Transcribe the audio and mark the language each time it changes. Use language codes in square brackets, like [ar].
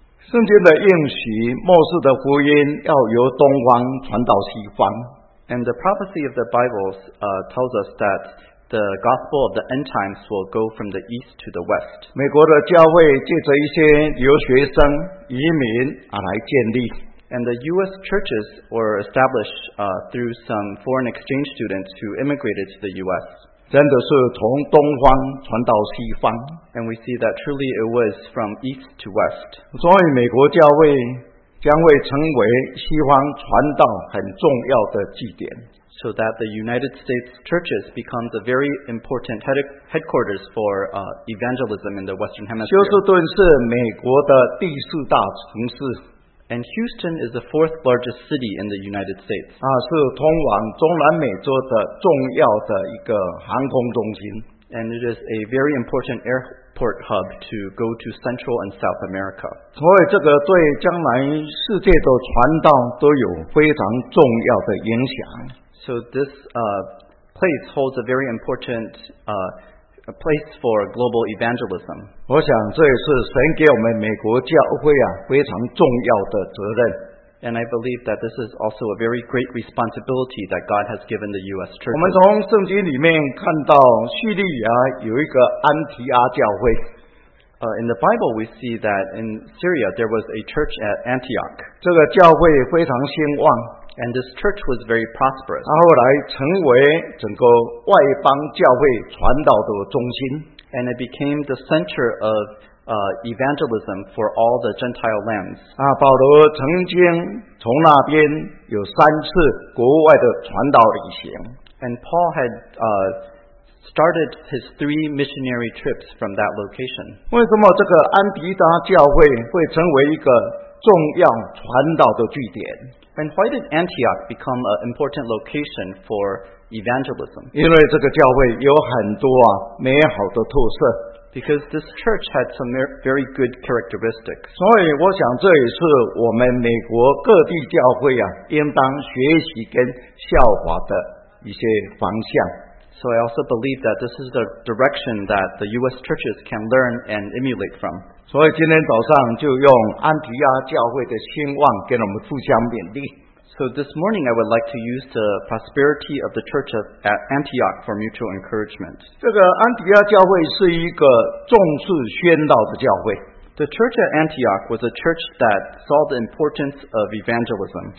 [zh] 圣经的应许，末世的福音要由东方传到西方。 [en] And the prophecy of the Bible tells us that the gospel of the end times will go from the east to the west. [zh] 美国的教会借着一些留学生、移民来建立。 [en] And the U.S. churches were established through some foreign exchange students who immigrated to the U.S. [zh] 真的是从东方传到西方 [en] ，and we see that truly it was from east to west。 [zh] 所以美国教会将会成为西方传道很重要的据点 [en] ，so that the United States churches become the very important headquarters for evangelism in the Western Hemisphere。 [zh] 休斯顿是美国的第四大城市 [en] ，and Houston is the fourth largest city in the United States。 [zh] 是通往中南美洲的重要的一个航空中心。 [en] And it is a very important airport hub to go to Central and South America. [zh] 所以这个对将来世界的传道都有非常重要的影响。 [en] So this place holds a very important place for global evangelism. [zh] 我想这也是神给我们美国教会非常重要的责任。 [en] And I believe that this is also a very great responsibility that God has given the U.S. Church. [zh] 我们从圣经里面看到叙利亚有一个安提阿教会。 [en] In the Bible, we see that in Syria, there was a church at Antioch. [zh] 这个教会非常兴旺。 [en] And this church was very prosperous. [zh] 后来成为整个外邦教会传道的中心。 [en] And it became the center of evangelism for all the Gentile lands. [zh] 保罗曾经从那边有三次国外的传道旅行。 [en] And Paul had started his three missionary trips from that location. [zh] 为什么这个安提达教会会成为一个重要传道的据点？ [en] And why did Antioch become an important location for evangelism? [zh] 因为这个教会有很多啊美好的特色。 [en] Because this church had some very good characteristics. [zh] 所以我想这也是我们美国各地教会啊应当学习跟效法的一些方向。 [en] So I also believe that this is the direction that the U.S. churches can learn and emulate from. [zh] 所以今天早上就用安提阿教会的兴旺给我们互相勉励。 [en] So this morning I would like to use the prosperity of the church at Antioch for mutual encouragement. [zh] 这个安提阿教会是一个重视宣道的教会。 [en] The church at Antioch was a church that saw the importance of evangelism.